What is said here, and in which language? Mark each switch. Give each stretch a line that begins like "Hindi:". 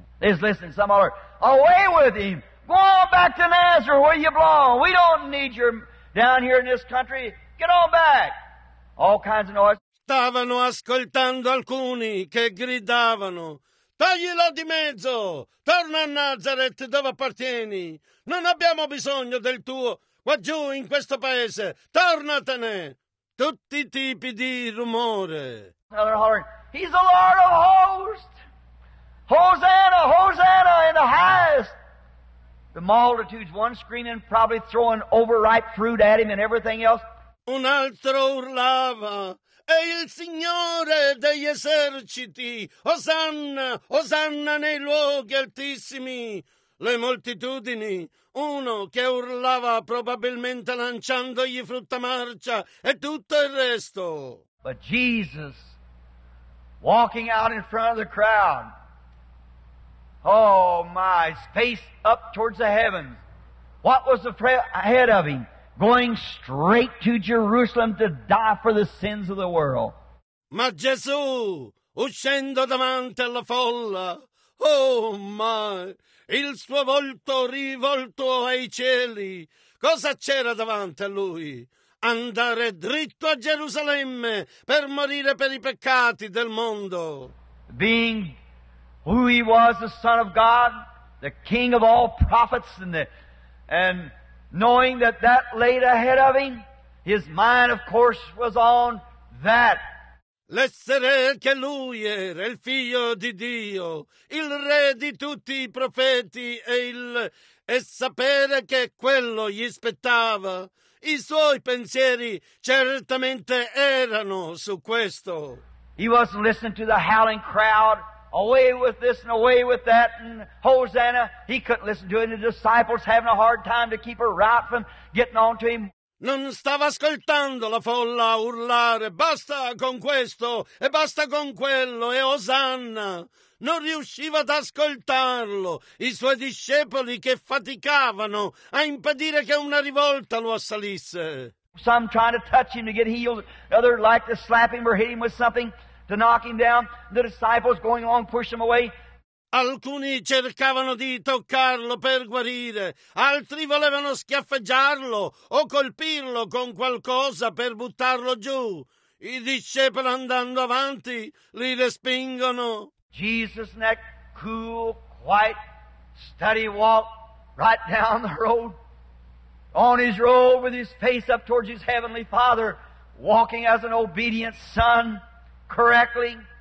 English: He's listening, some are, away with him, go on back to Nazareth where you belong, we don't need you down here in this country, get on back. All kinds of noise.
Italian: stavano ascoltando alcuni che gridavano: «Taglielo di mezzo! Torna a Nazareth dove appartieni! Non abbiamo bisogno del tuo qua giù in questo paese! Tornatene!» Tutti i tipi di rumore.
English: He's the Lord of hosts! Hosanna, Hosanna in the highest! The multitudes, one screaming, probably throwing overripe fruit at him and everything else.
Italian: Un altro urlava: è il Signore degli eserciti! Osanna, Osanna nei luoghi altissimi! Le moltitudini, uno che urlava probabilmente lanciandogli frutta marcia e tutto il resto.
English: But Jesus, walking out in front of the crowd, oh my, face up towards the heavens. What was ahead of him? Going straight to Jerusalem to die for the sins of the world.
Italian: Ma Gesù, uscendo davanti alla folla,
English: oh my,
Italian: il suo volto rivolto ai cieli, cosa c'era davanti a lui? Andare dritto a Gerusalemme per morire per i peccati del mondo.
English: Being who he was, the Son of God, the King of all prophets, and knowing that that laid ahead of him, his mind, of course, was on that.
Italian: L'essere che lui era il figlio di Dio, il re di tutti i profeti e sapere che quello gli spettava, i suoi pensieri certamente erano su questo.
English: He wasn't listening to the howling crowd, away with this and away with that and Hosanna. He couldn't listen to it. The disciples having a hard time to keep a route from getting on to him.
Italian: Non stava ascoltando la folla urlare, basta con questo e basta con quello e Osanna. Non riusciva ad ascoltarlo, i suoi discepoli che faticavano a impedire che una rivolta lo assalisse.
English: Some trying to touch him to get healed, others like to slap him or hit him with something to knock him down. The disciples going along push him away.
Italian: Alcuni cercavano di toccarlo per guarire, altri volevano schiaffeggiarlo o colpirlo con qualcosa per buttarlo giù. I discepoli andando avanti li respingono.
English: Jesus in that cool, quiet, steady walk right down the road, on his road with his face up towards his heavenly Father, walking as an obedient son, correctly.